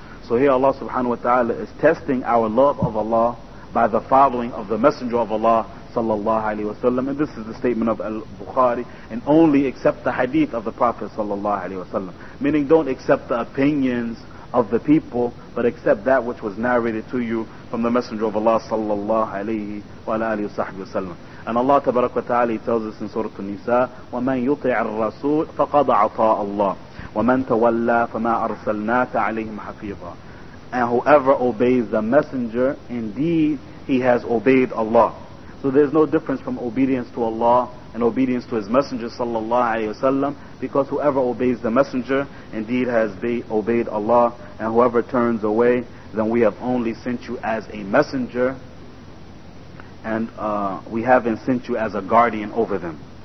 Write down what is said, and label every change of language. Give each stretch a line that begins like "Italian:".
English: So here Allah subhanahu wa ta'ala is testing our love of Allah by the following of the Messenger of Allah sallallahu alaihi wasallam. And this is the statement of al-Bukhari, and only accept the hadith of the Prophet sallallahu alaihi wasallam, meaning don't accept the opinions of the people, but accept that which was narrated to you from the Messenger of Allah sallallahu alaihi wa alihi sahbihi wasallam. And Allah tabarak wa ta'ala tells us in Surah An-Nisa,
Arabic: وَمَنْ يُطِعَ الرَّسُولَ فَقَدْ عَطَاءَ اللَّهِ وَمَنْ تَوَلَّى فَمَا أَرْسَلْنَاكَ عَلَيْهِمْ حَفِيظًا.
English: And whoever obeys the Messenger, indeed he has obeyed Allah. So there's no difference from obedience to Allah and obedience to his Messenger sallallahu alayhi wa sallam, because whoever obeys the Messenger indeed has obeyed Allah, and whoever turns away, then we have only sent you as a messenger, and we haven't sent you as a guardian over them.